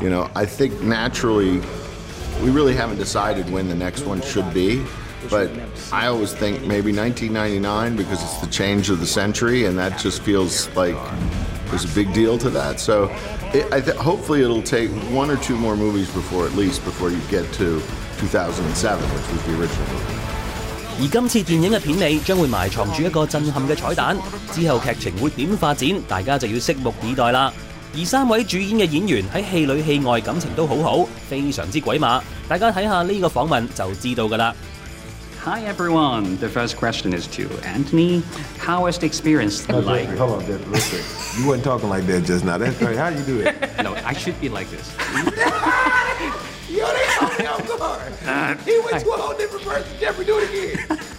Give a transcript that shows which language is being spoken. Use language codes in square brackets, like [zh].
[en] You know, I think naturally, we really haven't decided when the next one should be, but I always think maybe 1999 because it's the change of the century, and that just feels like there's a big deal to that. So hopefully it'll take one or two more movies before you get to 2007, which was the original movie. [yue] 而今次电影的片尾将会埋藏住一个震撼的彩蛋，之后剧情会点发展，大家就要拭目以待了。而三位主演的演员在戏里戏外感情都很好，非常之鬼马，大家看看这个访问就知道了。 [en] Hi everyone, the first question is to Anthony. How was the experience like? Hold on, Dad, listen. You weren't talking like that just now. That's funny. How do you do it? No, I should be like this. You didn't call me off guard. He went to a whole different person. Jeffrey, do it again.